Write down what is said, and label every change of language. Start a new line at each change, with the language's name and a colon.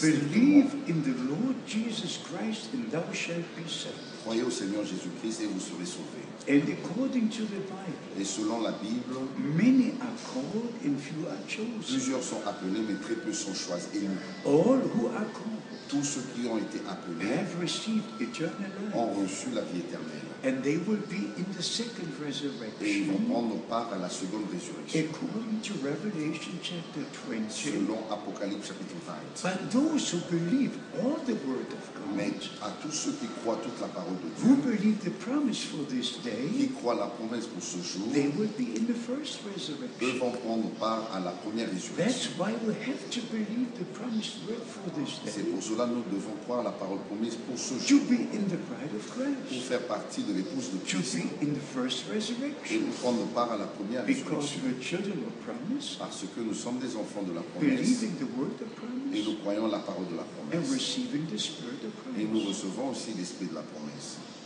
English: Believe in the Lord Jesus Christ, and thou shalt be saved.
French: Croyez au Seigneur Jésus Christ et vous serez sauvés.
English: And according to the Bible.
French: Et selon la Bible.
English: Many are called and few are chosen.
French: Plusieurs sont appelés mais très peu sont choisis. Et nous,
English: all who are called.
French: Tous ceux qui ont été appelés.
English: Have received eternal life.
French: Ont reçu la vie éternelle.
English: And they will be in the second resurrection.
French: Et ils vont prendre part à la seconde résurrection.
English: According to Revelation chapter 20.
French: Selon Apocalypse chapitre 20.
English: But those who believe all the word of God.
French: Mais à tous ceux qui croient toute la parole de Dieu.
English: Who believe the promise for this day.
French: Qui croient la promesse pour ce jour.
English: They will be in the first resurrection.
French: Eux vont prendre part à la première résurrection.
English: That's why we have to believe the promised word for this day.
French: C'est pour cela que nous devons croire la parole promise pour ce
English: to
French: jour.
English: To be in the bride of Christ.
French: Pour faire partie de l'épouse de Christ et nous prendre part à la première résurrection parce que nous sommes des enfants de la promesse et nous croyons la parole de la promesse et nous recevons aussi l'esprit de la promesse.